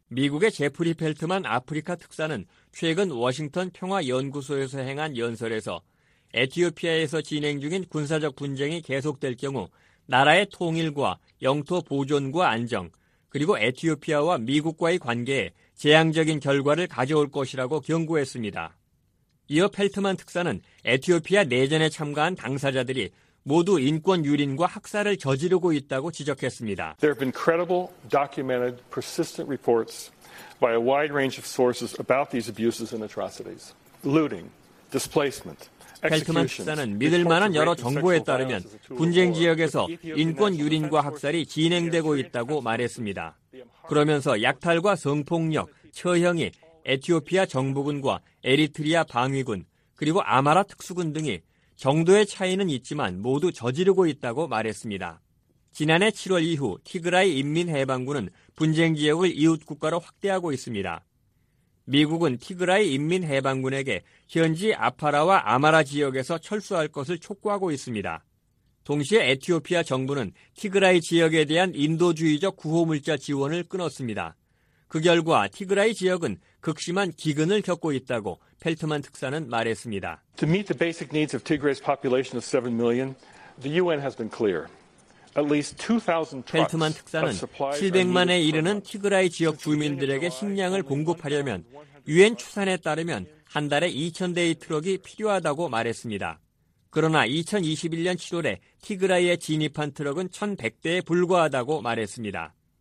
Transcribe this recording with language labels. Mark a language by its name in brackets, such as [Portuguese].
[Korean] 미국의 제프리 펠트만 아프리카 특사는 최근 워싱턴 평화연구소에서 행한 연설에서 에티오피아에서 진행 중인 군사적 분쟁이 계속될 경우 나라의 통일과 영토 보존과 안정, 그리고 에티오피아와 미국과의 관계에 재앙적인 결과를 가져올 것이라고 경고했습니다. 이어 펠트만 특사는 에티오피아 내전에 참가한 당사자들이 모두 인권 유린과 학살을 저지르고 있다고 지적했습니다. [English] There have been credible, documented, persistent reports by a wide range of sources about these abuses and atrocities. Looting, displacement, [Korean] 펠트만 특사는 믿을 만한 여러 정보에 따르면 분쟁 지역에서 인권 유린과 학살이 진행되고 있다고 말했습니다. 그러면서 약탈과 성폭력, 처형이 에티오피아 정부군과 에리트리아 방위군, 그리고 아마라 특수군 등이 정도의 차이는 있지만 모두 저지르고 있다고 말했습니다. 지난해 7월 이후 티그라이 인민해방군은 분쟁 지역을 이웃 국가로 확대하고 있습니다. 미국은 티그라이 인민해방군에게 현지 아파라와 아마라 지역에서 철수할 것을 촉구하고 있습니다. 동시에 에티오피아 정부는 티그라이 지역에 대한 인도주의적 구호물자 지원을 끊었습니다. 그 결과 티그라이 지역은 극심한 기근을 겪고 있다고 펠트만 특사는 말했습니다. [English] To meet the basic needs of Tigray's population of 7 million, the UN has been clear. At least 2,000 trucks. [Korean] 펠트만 특사는 700만에 이르는 티그라이 지역 주민들에게 식량을 공급하려면 유엔 추산에 따르면 한 달에 2,000대의 트럭이 필요하다고 말했습니다. 그러나 2021년 7월에 티그라이에 진입한 트럭은 1,100대에 불과하다고 말했습니다.